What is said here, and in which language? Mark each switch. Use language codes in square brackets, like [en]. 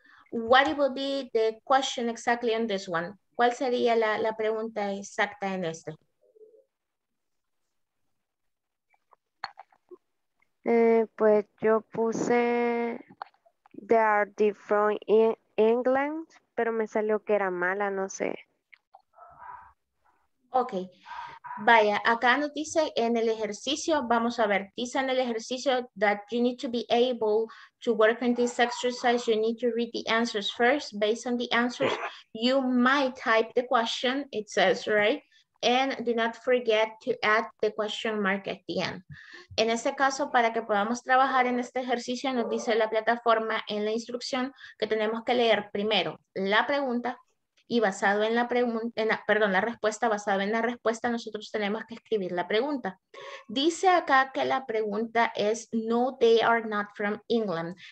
[en] What would be the question exactly on this one? [es] ¿Cuál sería la, la pregunta exacta en este? Pues yo puse [en] they are different in England, [es] pero me salió que era mala, no sé. Ok, vaya, acá nos dice en el ejercicio, [en] vamos a ver, dice en el ejercicio that you need to be able to work in this exercise, you need to read the answers first, based on the answers, you might type the question, it says, right? And do not forget to add the question mark at the end. [es] En este caso, para que podamos trabajar en este ejercicio, nos dice la plataforma en la instrucción que tenemos que leer primero la pregunta y basado en la pregunta, perdón, la respuesta, basado en la respuesta, nosotros tenemos que escribir la pregunta. Dice acá que la pregunta es, no, [en] they are not from England.